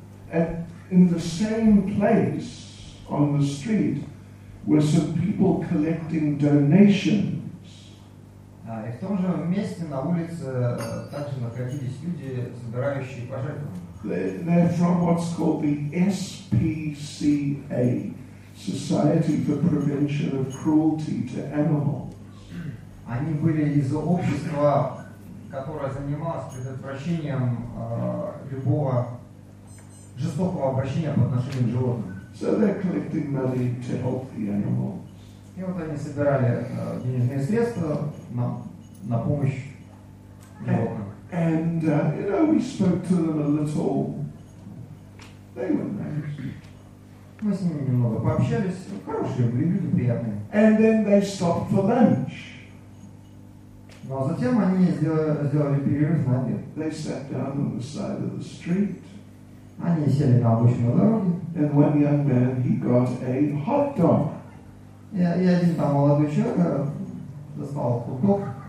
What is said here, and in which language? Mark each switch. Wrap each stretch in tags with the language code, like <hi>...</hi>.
<en>And in the same place on the street were some people collecting donations.</en> <ru>И в том же месте на улице также находились люди, собирающие пожертвования.</ru> <en>They're from what's called the SPCA, Society for Prevention of Cruelty to Animals.</en> <ru>Они были из общества, которое занималось предотвращением любого жестокого обращения по отношению к животным.</ru> <en>So they're collecting money to help the animals.</en> <ru>И вот они собирали денежные средства на помощь животным.</ru> <en>And you know, we spoke to them a little. They were nice.</en> <ru>Мы с ними немного пообщались. Хорошие люди, приятные.</ru> <en>And then they stopped for lunch.</en> <ru>Ну а затем они сделали перерыв на обед.</ru> <en>They sat down on the side of the street.</en> <ru>Они сели на обочину дороги.</ru> <en>And one young man, he got a hot dog.</en> <ru>И один там молодой человек достал хот-дог.</ru>